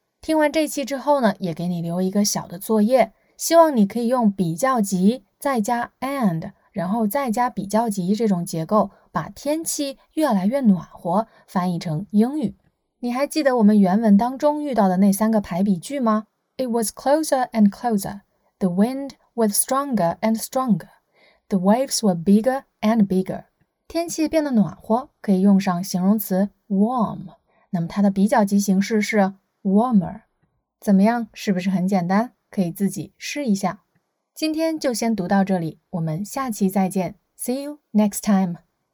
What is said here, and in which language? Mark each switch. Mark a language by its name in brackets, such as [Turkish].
[Chinese] 听完这期之后呢，也给你留一个小的作业，希望你可以用比较级再加 and， 然后再加比较级这种结构，把天气越来越暖和翻译成英语。你还记得我们原文当中遇到的那三个排比句吗？ [English] It was closer and closer. The wind was stronger and stronger. The waves were bigger and bigger. [Chinese] 天气变得暖和可以用上形容词 warm. 那么它的比较级形式是 warmer。怎么样，是不是很简单？可以自己试一下。今天就先读到这里，我们下期再见。 [English] See you next time.